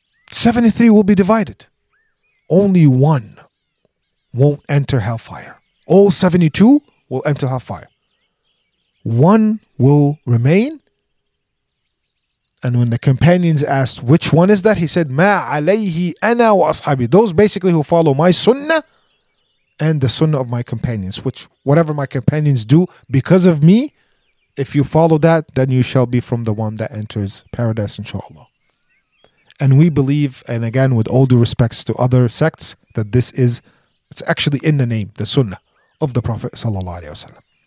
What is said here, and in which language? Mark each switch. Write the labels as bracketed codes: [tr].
[en] 73 will be divided. Only one won't enter hellfire. All 72 will enter hellfire. One will remain. And when the companions asked, which one is that? He said, [ar] مَا عَلَيْهِ أَنَا وَأَصْحَابِي. [en] Those basically who follow my Sunnah, and the Sunnah of my companions, which whatever my companions do because of me, if you follow that, then you shall be from the one that enters paradise, inshallah. And we believe, and again, with all due respects to other sects, that this is, it's actually in the name, the Sunnah of the Prophet sallallahu alaihi wasallam.